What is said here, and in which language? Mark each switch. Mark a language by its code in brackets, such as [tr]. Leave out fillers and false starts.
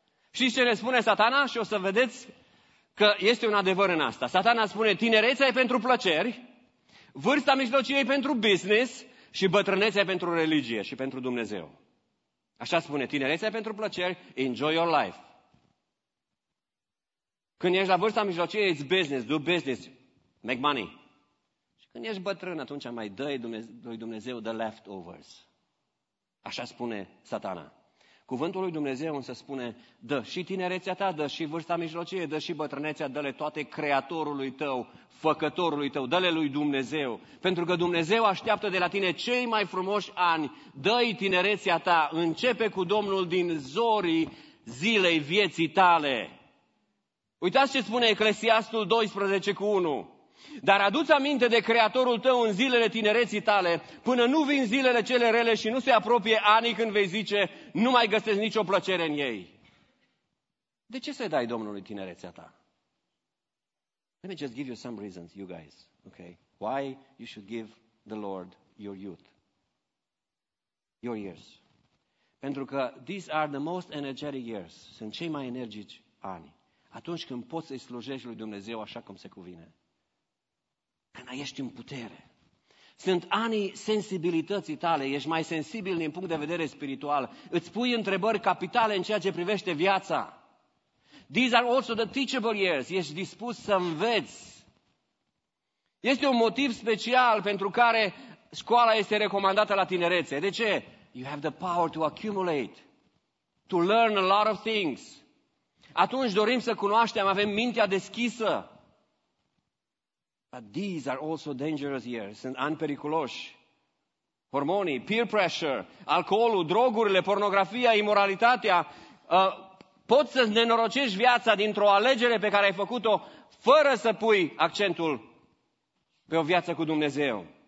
[ro] Știți ce ne spune Satana? Și o să vedeți că este un adevăr în asta. Satana spune, tinerețea e pentru plăceri, vârsta mijlocie e pentru business și bătrânețea e pentru religie și pentru Dumnezeu. Așa spune, tinerețea e pentru plăceri, [en] enjoy your life. [ro] Când ești la vârsta mijlocie, [en] it's business, do business, make money. [ro] Și când ești bătrân, atunci mai dă lui Dumnezeu [en] the leftovers. [ro] Așa spune Satana. Cuvântul lui Dumnezeu însă spune, dă și tinerețea ta, dă și vârsta mijlocie, dă și bătrânețea, dă-le toate creatorului tău, făcătorului tău, dă-le lui Dumnezeu. Pentru că Dumnezeu așteaptă de la tine cei mai frumoși ani, dă-i tinerețea ta, începe cu Domnul din zorii zilei vieții tale. Uitați ce spune Eclesiastul 12:1. Dar adu-ți aminte de Creatorul tău în zilele tinereții tale, până nu vin zilele cele rele și nu se apropie anii când vei zice, nu mai găsesc nicio plăcere în ei. De ce să dai Domnului tinerețea ta? [en] Let me just give you some reasons, you guys, okay? Why you should give the Lord your youth, your years. [ro] Pentru că [en] these are the most energetic years, [ro] sunt cei mai energici ani. Atunci când poți să-i slujești lui Dumnezeu așa cum se cuvine. Când ești în putere. Sunt anii sensibilității tale. Ești mai sensibil din punct de vedere spiritual. Îți pui întrebări capitale în ceea ce privește viața. [en] These are also the teachable years. [ro] Ești dispus să înveți. Este un motiv special pentru care școala este recomandată la tinerețe. De ce? [en] You have the power to accumulate, to learn a lot of things. [ro] Atunci dorim să cunoaștem, avem mintea deschisă. [en] But these are also dangerous years, [ro] sunt ani periculoși. Hormonii, [en] peer pressure, [ro] alcoolul, drogurile, pornografia, imoralitatea. Poți să-ți nenorocești viața dintr-o alegere pe care ai făcut-o fără să pui accentul pe o viață cu Dumnezeu.